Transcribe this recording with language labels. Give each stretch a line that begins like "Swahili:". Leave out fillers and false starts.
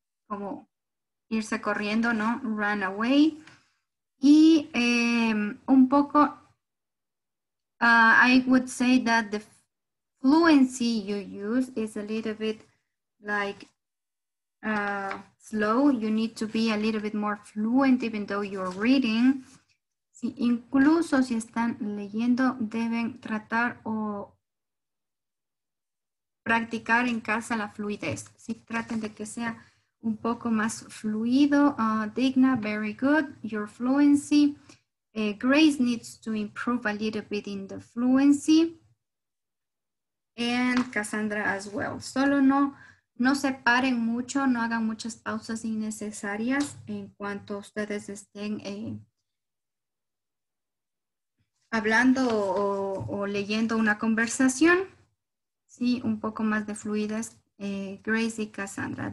Spanish: Como irse corriendo, ¿no?
English: Run away.
Spanish: Y un poco,
English: I would say that the fluency you use is a little bit like slow. You need to be a little bit more fluent even though you're reading.
Spanish: Incluso si están leyendo, deben tratar o practicar en casa la fluidez. Si traten de que sea un poco más fluido.
English: Digna, very good. Your fluency. Grace needs to improve a little bit in the fluency. And Cassandra as well.
Spanish: Solo no se paren mucho, no hagan muchas pausas innecesarias en cuanto ustedes estén hablando o leyendo una conversación, sí, un poco más de fluidez, Grace y Cassandra.